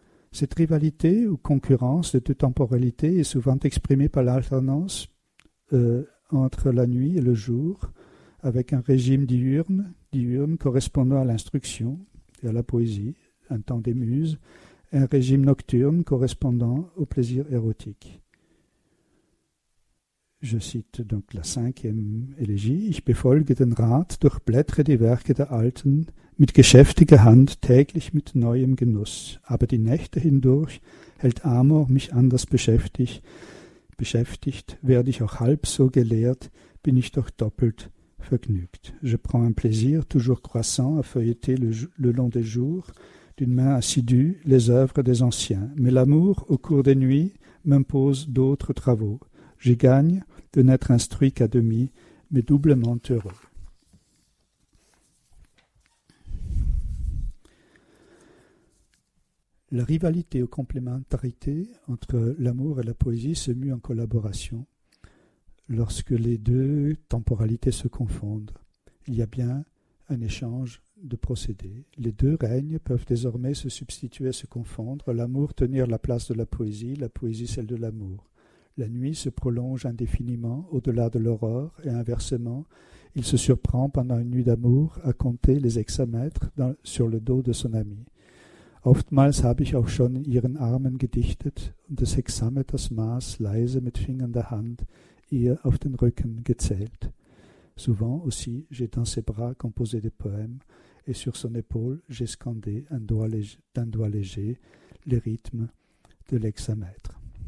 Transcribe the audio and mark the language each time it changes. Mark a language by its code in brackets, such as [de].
[fr] Cette rivalité ou concurrence de deux temporalités est souvent exprimée par l'alternance entre la nuit et le jour, avec un régime diurne diurne correspondant à l'instruction et à la poésie, un temps des muses, un régime nocturne correspondant au plaisir érotique. Je cite donc la cinquième élégie. [de] Ich befolge den Rat, durchblättere die Werke der Alten, mit geschäftiger Hand täglich mit neuem Genuss. Aber die Nächte hindurch hält Amor mich anders beschäftigt. Beschäftigt werde ich auch halb so gelehrt, bin ich doch doppelt vergnügt. [fr] Je prends un plaisir toujours croissant à feuilleter le long des jours, d'une main assidue, les œuvres des anciens. Mais l'amour, au cours des nuits, m'impose d'autres travaux. J'y gagne de n'être instruit qu'à demi, mais doublement heureux. La rivalité ou complémentarité entre l'amour et la poésie se mue en collaboration lorsque les deux temporalités se confondent. Il y a bien un échange de procédés. Les deux règnes peuvent désormais se substituer, se confondre, l'amour tenir la place de la poésie celle de l'amour. La nuit se prolonge indéfiniment au-delà de l'aurore et inversement, il se surprend pendant une nuit d'amour à compter les hexamètres sur le dos de son ami. [de] Oftmals habe ich auch schon ihren Armen gedichtet und des Hexameters Maß leise mit Fingern der Hand ihr auf den Rücken gezählt. [fr] Souvent aussi, j'ai dans ses bras composé des poèmes et sur son épaule, j'ai scandé d'un doigt léger les rythmes de l'hexamètre.